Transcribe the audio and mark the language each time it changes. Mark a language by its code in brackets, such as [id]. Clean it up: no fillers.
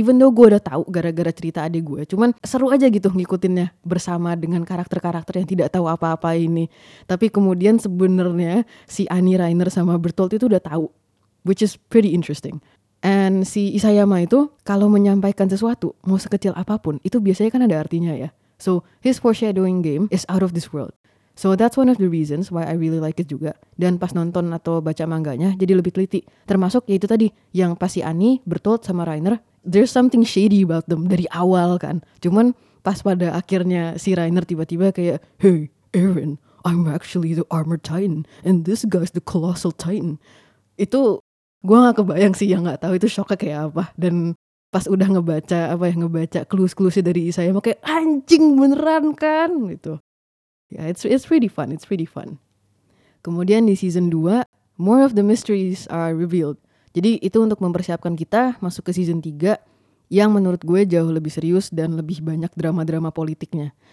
[en] Even though [id] gue udah tahu gara-gara cerita adik gue, cuman seru aja gitu ngikutinnya bersama dengan karakter-karakter yang tidak tahu apa-apa ini. Tapi kemudian sebenarnya si Annie Reiner sama Bertolt itu udah tahu, [en] which is pretty interesting. And [id] si Isayama itu kalau menyampaikan sesuatu mau sekecil apapun itu biasanya kan ada artinya ya. [en] So his foreshadowing game is out of this world. So that's one of the reasons why I really like it juga. [id] Dan pas nonton atau baca manganya jadi lebih teliti. Termasuk ya itu tadi, yang pas si Annie Bertolt sama Reiner, [en] there's something shady about them [id] dari awal kan. Cuman pas pada akhirnya si Reiner tiba-tiba kayak, [en] hey Eren, I'm actually the armored titan and this guy's the colossal titan. [id] Itu gue gak kebayang sih, yang gak tahu itu shocknya kayak apa. Dan pas udah ngebaca apa ya, ngebaca clues-cluesnya dari saya, mau kayak anjing beneran kan gitu. [en] Yeah, it's pretty fun, it's pretty fun. [id] Kemudian di season 2, [en] more of the mysteries are revealed. [id] Jadi itu untuk mempersiapkan kita masuk ke season 3 yang menurut gue jauh lebih serius dan lebih banyak drama-drama politiknya.